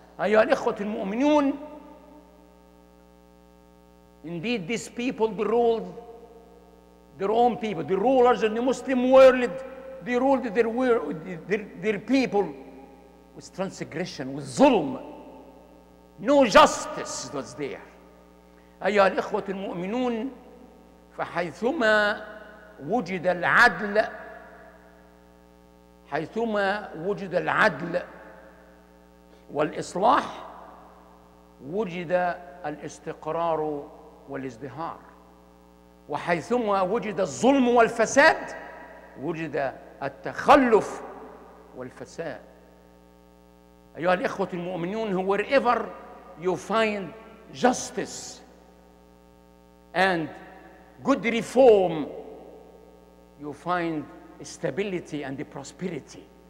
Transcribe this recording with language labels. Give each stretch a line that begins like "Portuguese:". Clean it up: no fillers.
Arabic: أيها الإخوة المؤمنون,
English: indeed these people ruled their own people, the rulers in the Muslim world, they ruled their people with transgression, with zulm. No justice was there.
Arabic: أيها الإخوة المؤمنون, فحيثما وجد العدل, حيثما وجد العدل والإصلاح وجد الاستقرار والازدهار, وحيثما وجد الظلم والفساد وجد التخلف والفساد. أيها الإخوة المؤمنون,
English: wherever you find justice and good reform, you find stability and the prosperity.